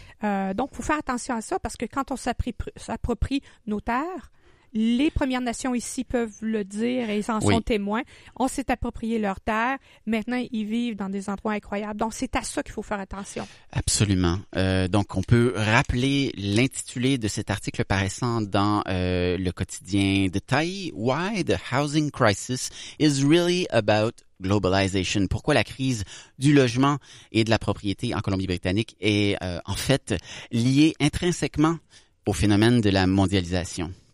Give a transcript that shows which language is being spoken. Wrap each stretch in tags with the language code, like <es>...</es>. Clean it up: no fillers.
<fr>Donc, faut faire attention à ça parce que quand on s'approprie nos terres, les Premières Nations ici peuvent le dire et ils en sont témoins. On s'est approprié leurs terres. Maintenant, ils vivent dans des endroits incroyables. Donc, c'est à ça qu'il faut faire attention. Absolument. Donc, on peut rappeler l'intitulé de cet article paraissant dans le quotidien de Taï.</fr> <en>Why the housing crisis is really about globalization.</en> <fr>Pourquoi la crise du logement et de la propriété en Colombie-Britannique est en fait liée intrinsèquement au phénomène de la mondialisation.</fr>